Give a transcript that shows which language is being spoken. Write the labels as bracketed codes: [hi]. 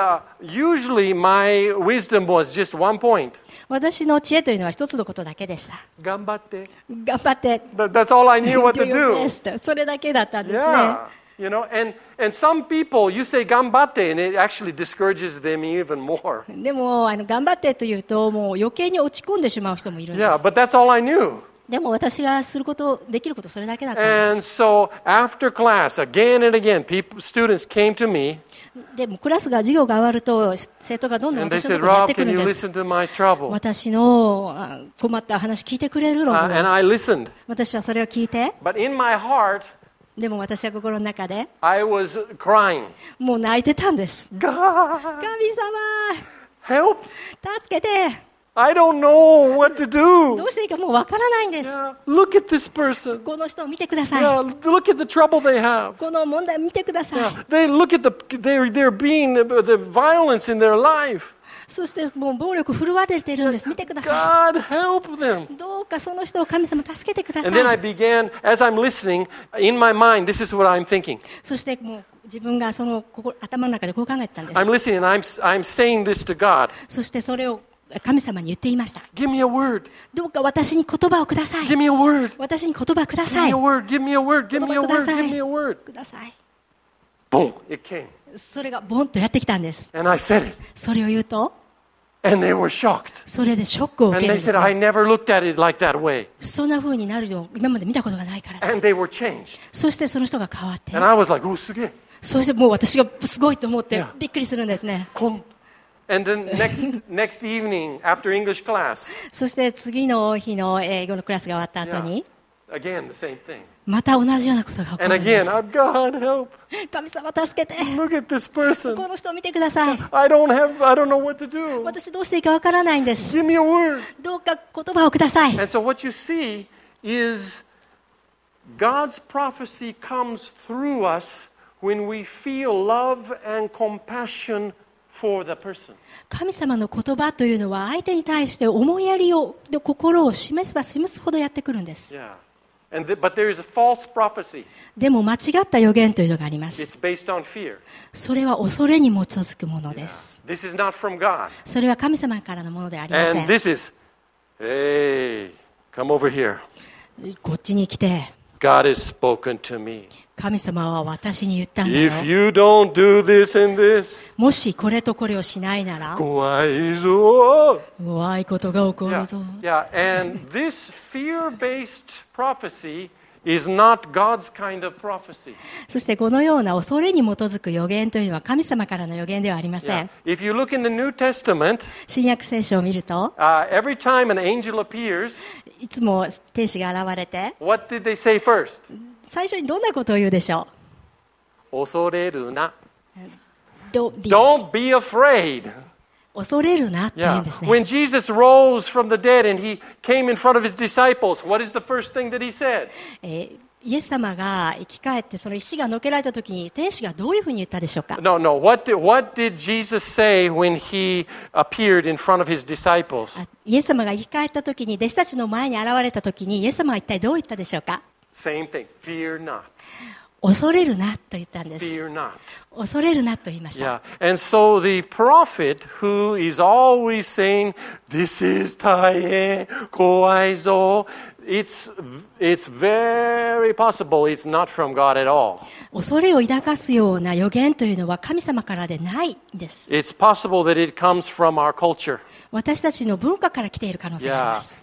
[en] And usually my wisdom was just one point. [ja] 私の知恵というのは一つのことだけでした。頑張って。頑張って。 [en] That's all I knew what to do. [ja] それだけだったんですね。 [en] Yeah. You know, and some people you say [ja] 頑張って [en] and it actually discourages them even more. [ja] でも頑張ってというともう余計に落ち込んでしまう人もいるんです。 [en] Yeah, but that's all I knew. [ja] でも私がすることできることそれだけだったん [en] And so after class, again and again, students came to me. [ja] でもクラスが授業が終わると生徒がどんどん私のところにやってくるんです。 [en] And they said, Rob, can you listen to my trouble? [ja] 私の困った話聞いてくれるの。 [en] And I listened. [ja] 私はそれを聞いて。 [en] But in my heart. [ja] でも私は心の中で、 [en] I was crying. [ja] もう泣いてたんです。 [en] God, [ja] 神様、 [en] Help. [ja] 助けて。 [en] I don't know what to do. [ja] どうしていいかもうわからないんです。 [en] Yeah, look at this person. [ja] この人を見てください。 [en] Yeah, look at the trouble they have. [ja] この問題を見てください。 [en] Yeah, they look at they're being the violence in their life. [ja] そしてもう暴力振るわれているんです。見てください。 [en] God help them. [ja] どうかその人を神様助けてください。 [en] And then I began, as I'm listening, in my mind, this is what I'm thinking. [ja] そしてもう自分がその心頭の中でこう考えてたんです。 [en] I'm listening and I'm saying this to God. [ja] そしてそれを神様に言っていました。 [en] Give me a word. [ja] どうか私に言葉をください。 [en] Give me a word. [ja] 私に言葉ください。 [en] Give me a word. Give me a word. Give me a word. me a word. [ja] ください。 [en] Boom! It came. [ja] それがボンとやってきたんです。 [en] And I said it. [ja] それを言うと、 [en] And they were shocked. [ja] それでショックを受けるんです、ね。 [en] And they said, I never looked at it like that way. [ja] そんな風になるのを今まで見たことがないからです。 [en] And they were changed. [ja] そしてその人が変わって、 [en] And I was like, oh, [ja] すげえ。そしてもう私がすごいと思ってびっくりするんですね。 [en] And then next evening after English class. [ja] そして次の日の英語のクラスが終わった後に、 [en] yeah. Again, the same thing. [ja] また同じようなことが起こります。 [en] And again, God help. [ja] 神様助けて。 [en] Look at this person. [ja] この人を見てください。 [en] I don't have, I don't know what to do. [ja] 私どうしていいかわからないんです。 [en] Give me a word. [ja] どうか言葉をください。 [en] And so what you see is God's prophecy comes through us when we feel love and compassion for the person. [ja] 神様の言葉というのは相手に対して思いやりを、心を示せば示すほどやってくるんです。 [en] Yeah. And the, but there is a false prophecy. [ja] でも間違った予言というのがあります。 [en] It's based on fear. [ja] それは恐れに基づくものです。 [en] Yeah. This is not from God. [ja] それは神様からのものではありません。 [en] And this is, hey, come over here. [ja] こっちに来て。 [en] God has spoken to me. [ja] 神様は私に言ったんだよ。 [en] If you don't do this and this, [ja] もしこれとこれをしないなら、怖いぞ。怖いことが起こるぞ。 [en] Yeah, yeah. And this fear-based prophecy is not God's kind of prophecy. [ja] そしてこのような恐れに基づく予言というのは神様からの予言ではありません。 [en] Yeah. If you look in the New Testament, [ja] 新約聖書を見ると、 [en] every time an angel appears, [ja] いつも天使が現れて、 [en] what did they say first? [ja] 最初にどんなことを言うでしょう。恐れるな。 [en] Don't be afraid. [ja] 恐れるなって言うんですね。 [en] Yeah. When Jesus rose from the dead and he came in front of his disciples, what is the first thing that he said? [ja] イエス様が生き返ってその石がのけられた時に天使がどういうふうに言ったでしょうか。 [en] No, no. What did Jesus say when he appeared in front of his disciples? [ja] イエス様が生き返った時に弟子たちの前に現れた時にイエス様は一体どう言ったでしょうか。 [en] Same thing. Fear not. [ja] 恐れるなと言ったんです。 [en] Fear not. [ja] 恐れるなと言いました。 [en] Yeah. And so the prophet who is always saying, this is [ja] 大変、怖いぞ、 [en] it's very possible it's not from God at all. [ja] 恐れを抱かすような予言というのは神様からでないんです。 [en] It's possible that it comes from our culture. [ja] 私たちの文化から来ている可能性があります。